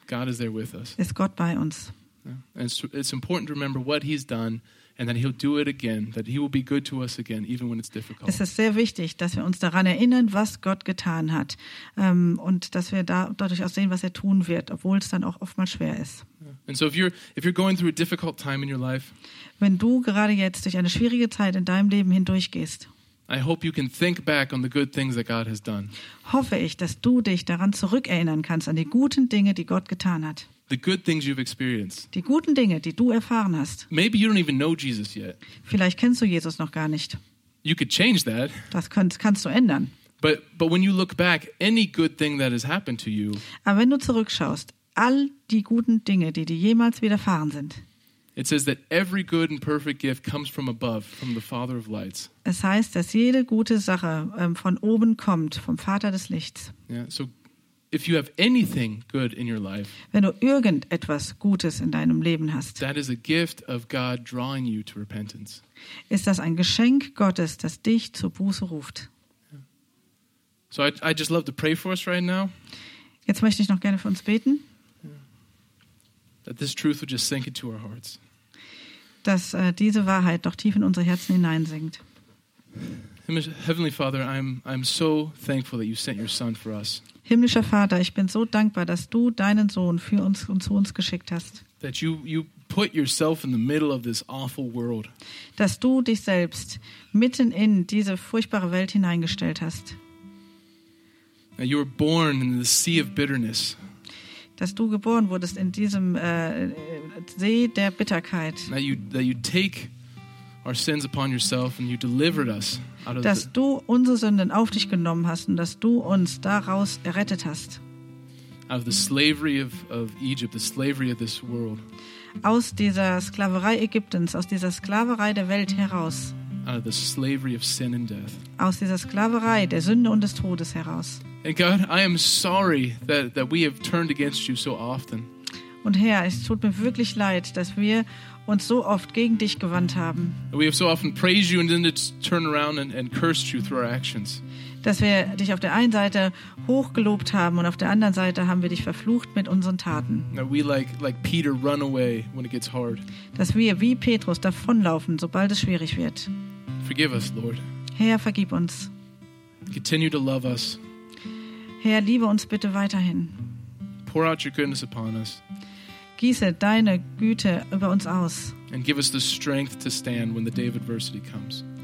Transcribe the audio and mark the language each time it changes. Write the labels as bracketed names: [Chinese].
[English] God is there with us. [German] Ist Gott bei uns. [English] Yeah. And it's important to remember what he's done and that he'll do it again, that he will be good to us again even when it's difficult. [German] Es ist sehr wichtig, dass wir uns daran erinnern, was Gott getan hat, und dass wir dadurch auch sehen, was er tun wird, obwohl es dann auch oftmals schwer ist. [English] Yeah. And so if you're going through a difficult time in your life. [German] Wenn du gerade jetzt durch eine schwierige Zeit in deinem Leben hindurchgehst. [English] I hope you can think back on the good things that God has done. [German] Hoffe ich, dass du dich daran zurückerinnern kannst, an die guten Dinge, die Gott getan hat. [English] The good things you've experienced. [German] Die guten Dinge, die du erfahren hast. [English] Maybe you don't even know Jesus yet. [German] Vielleicht kennst du Jesus noch gar nicht. [English] You could change that. [German] Das kannst du ändern. [English] But when you look back, any good thing that has happened to you. [German] Aber wenn du zurückschaust, all die guten Dinge, die dir jemals widerfahren sind. [English] It says that every good and perfect gift comes from above, from the Father of lights. [German] Es heißt, dass jede gute Sache von oben kommt, vom Vater des Lichts. [English] Yeah, so if you have anything good in your life, [German] wenn du irgendetwas Gutes in deinem Leben hast, [English] that is a gift of God drawing you to repentance. [German] Ist das ein Geschenk Gottes, das dich zur Buße ruft? [English] Yeah. So I just love to pray for us right now. [German] Jetzt möchte ich noch gerne für uns beten. [English] That this truth would just sink into our hearts. [German] Dass diese Wahrheit doch tief in unsere Herzen hineinsinkt. [English] Heavenly Father, I'm so thankful that you sent your son for us. [German] Himmlischer Vater, ich bin so dankbar, dass du deinen Sohn für uns und zu uns geschickt hast. [English] That you put yourself in the middle of this awful world. [German] Dass du dich selbst mitten in diese furchtbare Welt hineingestellt hast. [English] That you were born in the sea of bitterness. [German] Dass du geboren wurdest in diesem See der Bitterkeit. [English] That you take our sins upon yourself and you delivered us out of. [German] Dass du unsere Sünden auf dich genommen hast und dass du uns daraus errettet hast. [English] Out of the slavery of Egypt, the slavery of this world. [German] Aus dieser Sklaverei Ägyptens, aus dieser Sklaverei der Welt heraus. [English] Out of the slavery of sin and death. [German] Aus dieser Sklaverei der Sünde und des Todes heraus. [English] And God, I am sorry that we have turned against you so often. [German] Und Herr, es tut mir wirklich leid, dass wir uns so oft gegen dich gewandt haben. [English] We have so often praised you and then turned around and cursed you through our actions. [German] Dass wir dich auf der einen Seite hochgelobt haben und auf der anderen Seite haben wir dich verflucht mit unseren Taten. [English] That we like Peter run away when it gets hard. [German] Dass wir wie Petrus davonlaufen, sobald es schwierig wird. [English] Forgive us, Lord. [German] Herr, vergib uns. [English] Continue to love us. [German] Herr, liebe uns bitte weiterhin. [English] Pour out your goodness upon us. [German] Gieße deine Güte über uns aus. [English] And give us the strength to stand when the day of adversity comes.